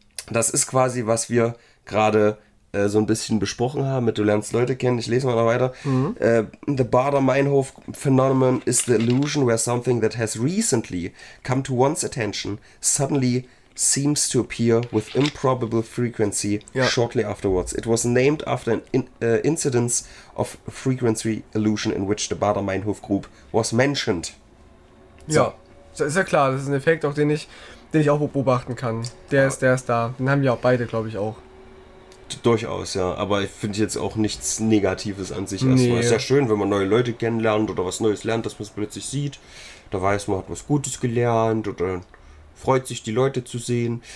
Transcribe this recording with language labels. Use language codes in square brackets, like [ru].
[de] Das ist quasi, was wir gerade so ein bisschen besprochen haben, mit du lernst Leute kennen, ich lese mal noch weiter. [en] The Bader-Meinhof phenomenon is the illusion where something that has recently come to one's attention suddenly seems to appear with improbable frequency shortly afterwards. It was named after an incidence of frequency illusion in which the Bader-Meinhof group was mentioned. [de] So. Ja, ist ja klar, das ist ein Effekt, auch den ich auch beobachten kann. Der ist da. Den haben ja auch beide, glaube ich, auch. Durchaus, ja. Aber ich finde jetzt auch nichts Negatives an sich. Nee. Es ist ja schön, wenn man neue Leute kennenlernt oder was Neues lernt, dass man es plötzlich sieht. Da weiß man, hat was Gutes gelernt oder freut sich, die Leute zu sehen.